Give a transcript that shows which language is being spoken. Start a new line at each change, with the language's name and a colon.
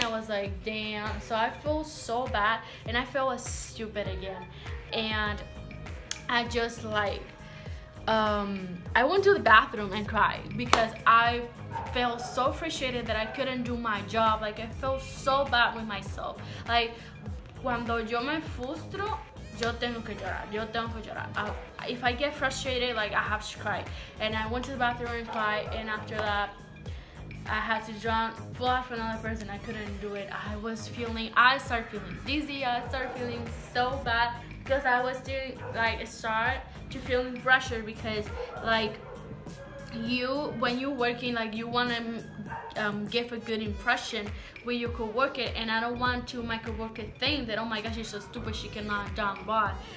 English: I was like, damn. So I felt so bad and I felt stupid again, and I just like I went to the bathroom and cried because I felt so frustrated that I couldn't do my job. Like, I felt so bad with myself.
Spanish: Like, cuando yo me frustro, yo tengo que llorar, yo tengo que llorar.
English: If I get frustrated, like, I have to cry. And I went to the bathroom and cried, and after that, I had to draw blood for another person. I couldn't do it. I started feeling dizzy, I started feeling so bad, because I was doing, like, start to feeling pressure, because, like, when you're working, like, you wanna give a good impression with your coworker, and I don't want to make a coworker think that, oh my gosh, she's so stupid, she cannot dump blood.